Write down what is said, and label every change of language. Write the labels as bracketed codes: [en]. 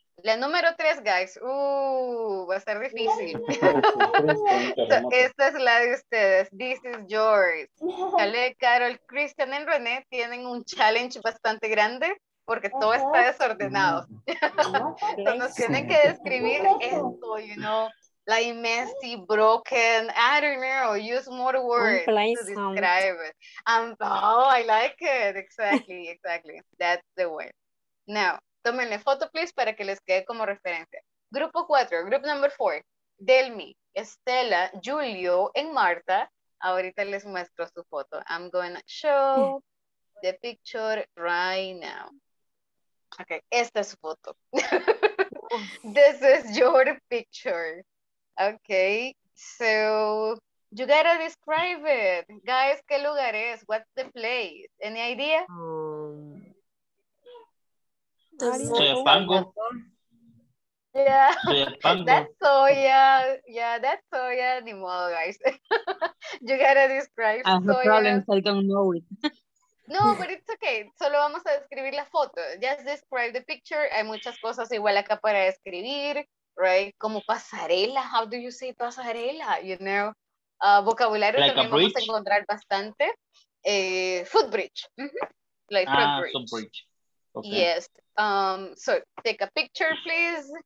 [es] la número 3, guys. Va a ser difícil. So, esta es la de ustedes. [en] This is yours. [es] Ale, Carol, Christian y René tienen un challenge bastante grande porque todo está desordenado. So, nos tienen que describir esto, [en] you know. Like messy, broken, I don't know, use more words to describe it. Oh, I like it. Exactly. That's the way. [es] Now, tómenle foto, please, para que les quede como referencia. Grupo 4, [en] group number 4. [es] Delmi, Estela, Julio, y Marta. Ahorita les muestro su foto. [en] I'm going to show the picture right now. Okay, [es] esta es su foto. [en] This is your picture. Okay, so You gotta describe it. Guys, [es] ¿qué lugar es? [en] What's the place? Any idea? Soyapango. Yeah, that's soya. [es] Ni modo, [en] guys. You gotta describe soya. I have problems, I don't know it. No, but it's okay. [es] Solo vamos a describir la foto. [en] Just describe the picture. [es] Hay muchas cosas igual acá para describir, right? Como pasarela. [en] How do you say pasarela? [es] You know, vocabulario like también vamos a encontrar bastante. Footbridge. Mm-hmm. [en] Like footbridge. Okay. Yes. So take a picture, please.